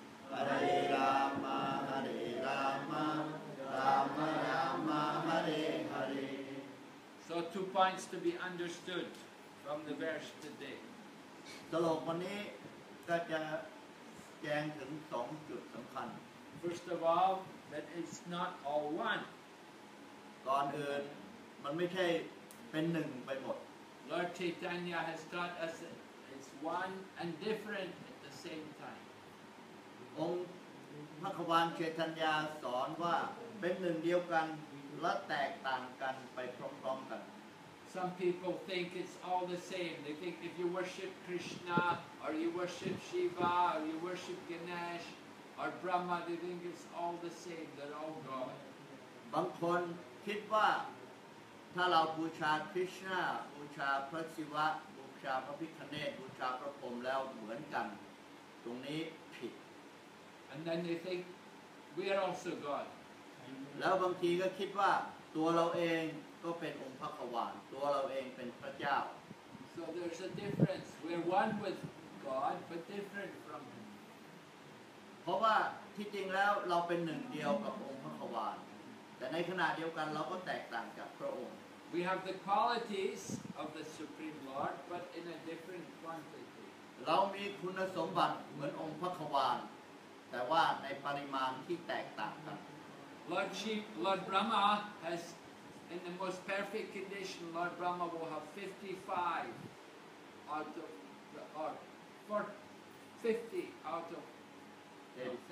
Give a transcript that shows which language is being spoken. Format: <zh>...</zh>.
<sa>Hare Rama Hare Rama Rama Rama Hare Hare</sa> <en>So 2 points to be understoodFrom the verse today.</en> <th>สรุปวันนี้ก็จะแจ้งถึง2 จุดสำคัญ</th> <en>First of all, that it's not all one.</en> <th>ก่อนอื่นมันไม่ใช่เป็นหนึ่งไปหมด</th> <en>Lord Chaitanya has taught us it's one and different at the same time.</en> <th>องค์พระควานเชตัญญาสอนว่าเป็นหนึ่งเดียวกันและแตกต่างกันไปพร้อมๆกัน</th> <en>Some people think it's all the same. They think if you worship Krishna, or you worship Shiva, or you worship Ganesh, or Brahma, they think it's all the same. They're all God.</en> <th>บางคนคิดว่าถ้าเราบูชาคริสนาบูชาพระศิวะบูชาพระพิฆเนศบูชาพระพรหมแล้วเหมือนกันตรงนี้ผิด</th> <en>And then they think we are also God.</en> <th>แล้วบางทีก็คิดว่าตัวเราเองก็เป็นองค์พระผู้วานตัวเราเองเป็นพระเจ้า</th> <en>So there's a difference we're one with God but different from him</en> <th>เพราะว่าที่จริงแล้วเราเป็นหนึ่งเดียวกับองค์พระผู้วานแต่ในขณะเดียวกันเราก็แตกต่างจากพระองค์</th> <en>We have the qualities of the supreme lord but in a different quantity</en> <th>เรามีคุณสมบัติเหมือนองค์พระผู้วานแต่ว่าในปริมาณที่แตกต่างกัน</th> <en>Lord Brahma hasIn the most perfect condition, Lord Brahma will have 55 out of the or 50 out of</en>